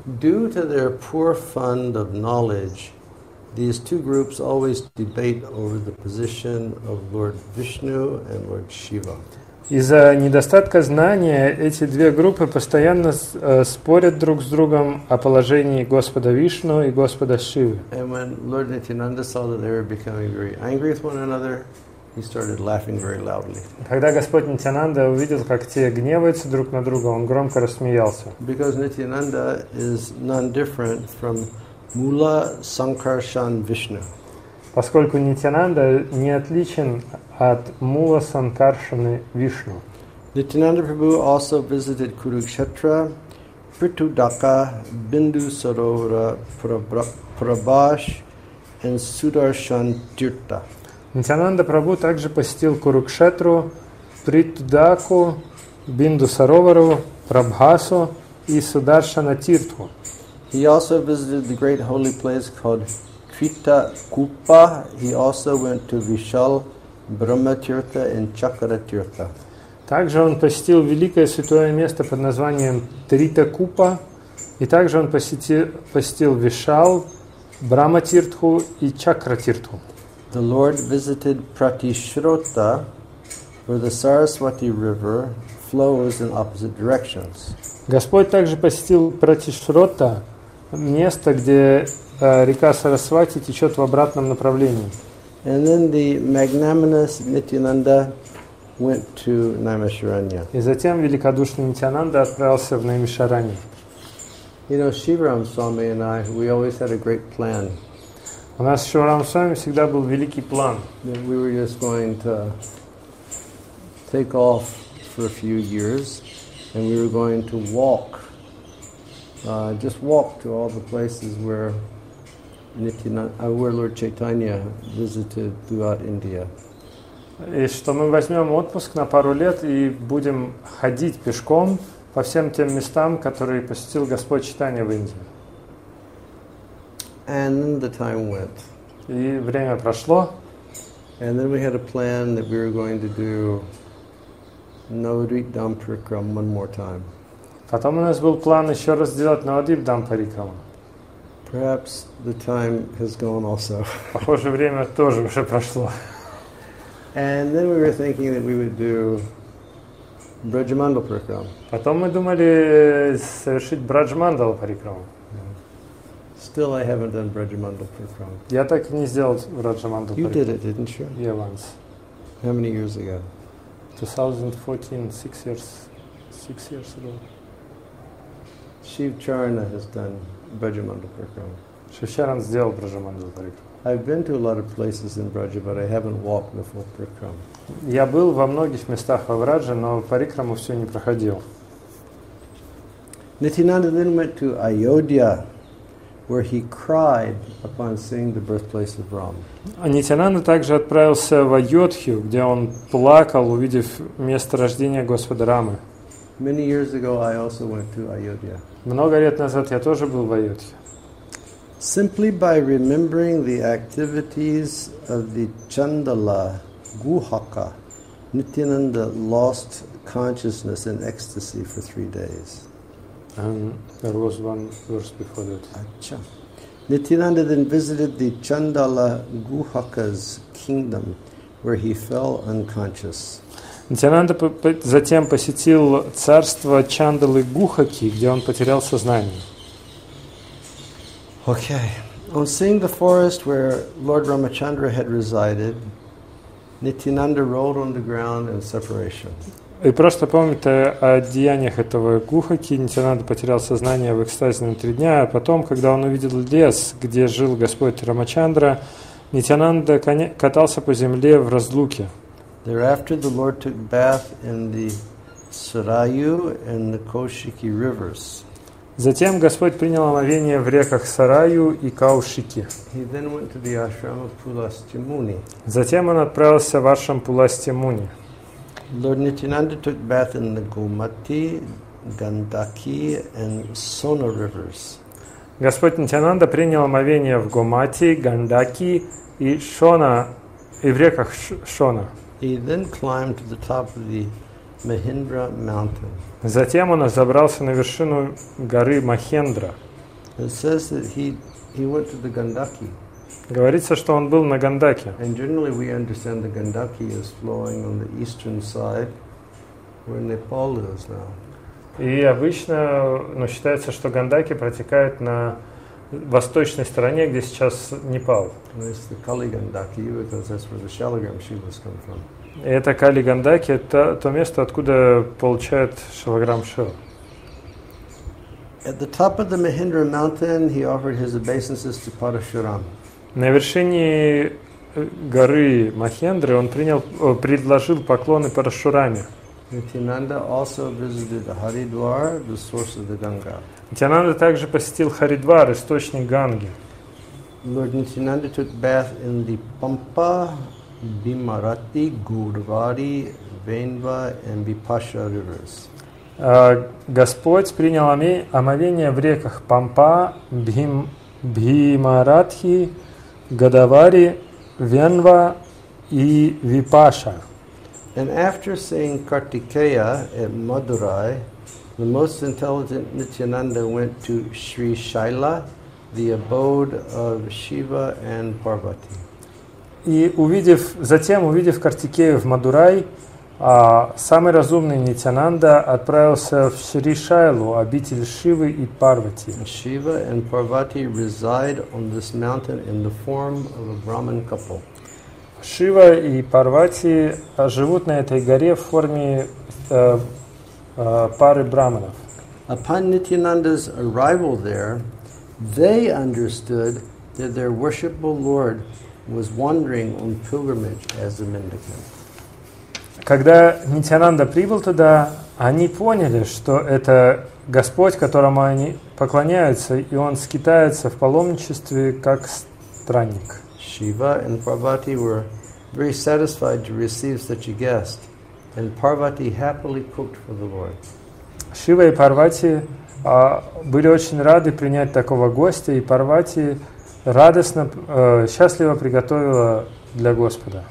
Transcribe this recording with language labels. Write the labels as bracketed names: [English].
[English] Due to their poor fund of knowledge, These two groups always debate over the position of Lord Vishnu and Lord Shiva. [Russian] Из-за недостатка знания эти две группы постоянно спорят друг с другом о положении Господа Вишну и Господа Шивы. [English] And when Lord Nityananda saw that they were becoming very angry with one another, he started laughing very loudly. [Russian] Когда Господь Нитянанда увидел, как те гневаются друг на друга, он громко рассмеялся. [English] Because Nityananda is none different from Mula Sankarshan Vishnu. [Russian] Поскольку Нитянанда не отличен от Мула Санкаршаны Вишну. [English] Nityananda Prabhu also visited Kurukshetra, Pritudaka, Bindu Sarovara, Prabhash, and Sudarshan Tirtha. [Russian] Nityananda Prabhu также посетил Курукшетру, Притудаку, Бинду Саровару, Прабхасу и Сударшана Тиртху. [English] He also visited the great holy place called Tritakupa. He also went to Vishal Brahmatirtha and Chakratirtha. [Russian] Также он посетил великое святое место под названием Тритакупа, и также он посетил Вишал Брахматиртху и Чакратиртху. [English] The Lord visited Pratishrota, where the Saraswati River flows in opposite directions. [Russian] Господь также посетил Пратишрота, место, где река Сарасвати течет в обратном направлении. [English] And then the magnanimous Nityananda went to Naimisharanya. [Russian] И затем великодушный Нитянанда отправился в Наймишаранье. [English] You know, Shivaram Swami and I, we always had a great plan. [Russian] У нас с Шиварам Свами всегда был великий план. [English] We were just going to take off for a few years, and we were going to walk. Just walk to all the places where where Lord Chaitanya visited throughout India. [Russian] И что мы возьмем отпуск на пару лет и будем ходить пешком по всем тем местам, которые посетил Господь Чайтанья в Индии. [English] And then the time went. [Russian] И время прошло. [English] And then we had a plan that we were going to do Navadvip Dhamparikram one more time. [Russian] Потом у нас был план еще раз сделать Навадвип Дхампарикрам. [English] Perhaps the time has gone also. [Russian] Похоже, время тоже уже прошло. [English] And then we were thinking that we would do Brajmandala Parikrama. [Russian] Потом мы думали совершить Брадж-мандала Парикрама. [English] Still I haven't done Брадж-мандала Парикрама. [Russian] Я так и не сделал Брадж-мандала [English] Парикрама. You did it, didn't you? Yeah, once. How many years ago? 2014, six years ago. Shiv Charana has done Brajmandala Parikrama. [Russian] Шишаран сделал Брадж-мандала Парикрама. [English] I've been to a lot of places in Braj, but I haven't walked the full Parikrama. [Russian] Я был во многих местах во Врадже, но Парикраму все не проходил. [English] Nityananda then went to Ayodhya, where he cried upon seeing the birthplace of Rama. [Russian] Nityananda также отправился в Айодхью, где он плакал, увидев место рождения Господа Рамы. [English] Many years ago, I also went to Ayodhya. [Russian] Много лет назад я тоже был в Айодхе. [English] Simply by remembering the activities of the Chandala Guhaka, Nityananda lost consciousness in ecstasy for 3 days. And there was one verse before that. [Hindi] Achcha. [English] Nityananda then visited the Chandala Guhaka's kingdom, where he fell unconscious. [Russian] Нитянанда затем посетил царство Чандалы Гухаки, где он потерял сознание. [English] Okay. On seeing the forest where Lord Ramachandra had resided, Nityananda rolled on the ground in separation. [Russian] И просто помните о деяниях этого Гухаки. Нитянанда потерял сознание в экстазе на 3 дня, а потом, когда он увидел лес, где жил Господь Рамачандра, Нитянанда катался по земле в разлуке. [English] Thereafter, the Lord took bath in the Sarayu and the Kaushiki rivers. [Russian] Затем Господь принял омовение в реках Сараю и Каушики. [English] He then went to the ashram of Pulastimuni. [Russian] Затем он отправился в ашрам Пуластимуни. [English] Lord Nityananda took bath in the Gomati, Gandaki, and Sona rivers. [Russian] Господь Нитянанда принял омовение в Гомати, Гандаки и Шона, и в реках Шона. [English] He then climbed to the top of the Mahindra mountain. [Russian] Затем он забрался на вершину горы Махендра. [English] It says that he went to the Gandaki. [Russian] Говорится, что он был на Гандаке. [English] And generally we understand the Gandaki is flowing on the eastern side, where Nepal is now. [Russian] И обычно, ну, считается, что Гандаки протекает на восточной стороне, где сейчас Непал. [English] Ну, it's the Kali Gandaki, because that's where the Shalagram Shivas come from. [Russian] И это Кали Гандаки, это то место, откуда получает Шалаграм Шива. [English] At the top of the Mahindra Mountain, he offered his obeisances to Parashuram. [Russian] На вершине горы Махендры он принял, предложил поклоны Парашураме. [English] Нитьянанда also visited Haridwar, the source of the Ganga. [Russian] Нитьянанда также посетил Харидвар, источник Ганги. [English] Lord Nityananda took bath in the Pampa, Bhimarati, Gurvari, Venva and Vipasha rivers. [Russian] Господь принял омовение в реках Пампа, Бхимаратхи, Годавари, Венва и Випаша. [English] And after saying Kartikeya at Madurai, the most intelligent Nityananda went to Sri Shaila, the abode of Shiva and Parvati. [Russian] И увидев, затем увидев Картикею в Мадурай, самый разумный Нитьянанда отправился в Шришайлу, обитель Шивы и Парвати. [English] Shiva and Parvati reside on this mountain in the form of a Brahmin couple. [Russian] Шива и Парвати живут на этой горе в форме пары брахманов. [English] Upon Nityananda's arrival there, they understood that their worshipful Lord was wandering on pilgrimage as a mendicant. [Russian] Когда Нитьянанда прибыл туда, они поняли, что это Господь, которому они поклоняются, и он скитается в паломничестве как странник. [English] Shiva and Parvati were very satisfied to receive such a guest, and Parvati happily cooked for the Lord. [Russian] Шива и Парвати были очень рады принять такого гостя, и Парвати радостно, счастливо приготовила для Господа.